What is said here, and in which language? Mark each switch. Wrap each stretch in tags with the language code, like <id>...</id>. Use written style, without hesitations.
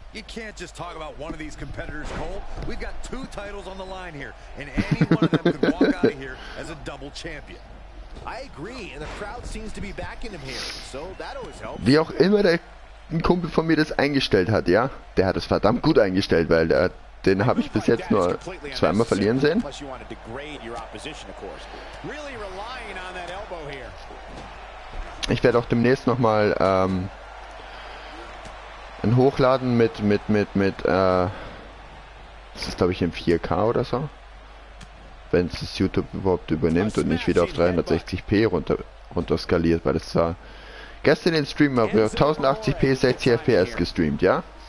<en>You can't just talk about one of these competitors, Cole. We've got two titles on the line here, and any one of them could walk out of here as a double champion. I agree, and the crowd seems to be backing him here, so that always helps.</en> <de>Wie auch immer der Kumpel von mir das eingestellt hat, ja? Der hat es verdammt gut eingestellt, weil den habe ich bis jetzt nur zweimal verlieren sehen.</de> <en>Plus you want to degrade your opposition, of course. Really relying on that elbow here.</en> <de>Ich werde auch demnächst nochmal ein Hochladen mit das ist glaube ich in 4K oder so. Wenn es das YouTube überhaupt übernimmt und nicht wieder auf 360p runter skaliert, weil das war gestern im Stream habe ich auf 1080p 60fps gestreamt, ja?</de>